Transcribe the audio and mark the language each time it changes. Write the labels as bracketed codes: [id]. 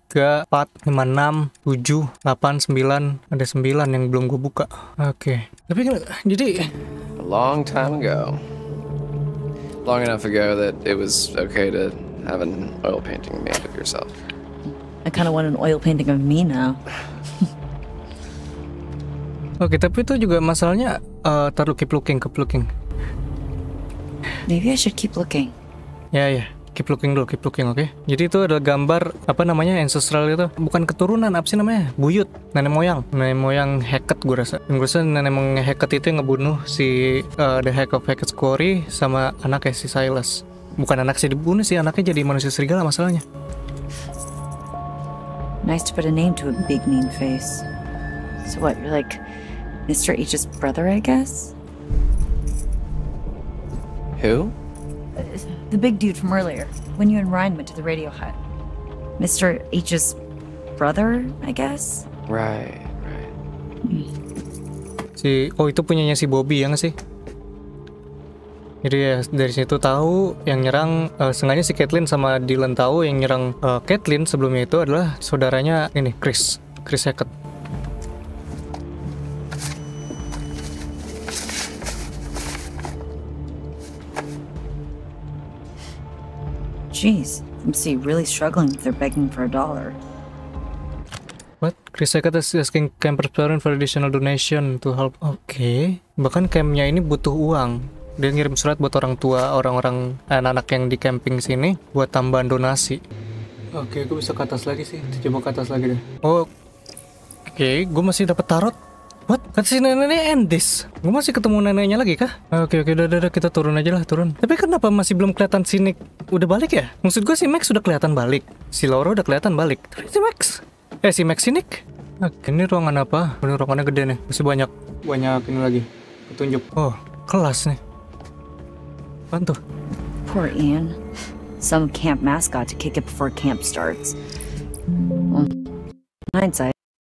[id] 1, 2, 3, 4, 5, 6, 7, 8, 9. Ada 9 yang belum gue buka. Oke. Tapi jadi [en] a long time ago. Long enough ago that it was okay to have an oil painting made of yourself. I kind of want an oil painting of me now. [id] Oke, tapi itu juga masalahnya taruh [en] keep looking. Maybe I should keep looking. Ya. Keep looking, oke. Okay? [id] Jadi itu adalah gambar apa namanya ancestral itu, bukan keturunan, apa sih namanya? Buyut, nenek moyang Hecate gue rasa. Yang gue rasa nenek moyang Hecate itu yang ngebunuh si the Hack of Hecate's Quarry sama anaknya si Silas. Bukan anak sih dibunuh sih, anaknya jadi manusia serigala masalahnya. [en] Nice to put a name to a big mean face. So what, you're like Mr. H's brother, I guess? Who? The big dude from earlier, when you and Ryan went to the radio hut. Mr. H's brother, I guess? Right. [id] Itu punyanya si Bobby, ya nggak sih? Jadi ya, dari situ tahu yang nyerang, sengaja si Caitlin sama Dylan tahu yang nyerang Caitlin sebelumnya itu adalah saudaranya ini, Chris Hecate. [en] Jeez, MC really struggling if they're begging for a dollar. What? Chris Hecate is asking camper's parents for additional donation to help. Okay. [id] Bahkan campnya ini butuh uang. Dia ngirim surat buat orang tua, orang-orang anak-anak yang di camping sini buat tambahan donasi. Okay, gue bisa ke atas lagi sih. Coba ke atas lagi deh. Oh. Okay, gue masih dapat tarot. What? Kata si neneknya end this? Gue masih ketemu neneknya lagi kah? Oke, udah, kita turun aja lah, turun. Tapi kenapa masih belum kelihatan si Nick udah balik ya? Maksud gue si Max udah kelihatan balik. Si Laura udah kelihatan balik. Tapi si Max? Si Max, si Nick? Oke, ini ruangan apa? Ini ruangannya gede nih, masih banyak. Banyak ini lagi, petunjuk. Oh, kelas nih. Apaan tuh? [en] Poor Ian. Some camp mascot to kick it before camp starts. Hindsight.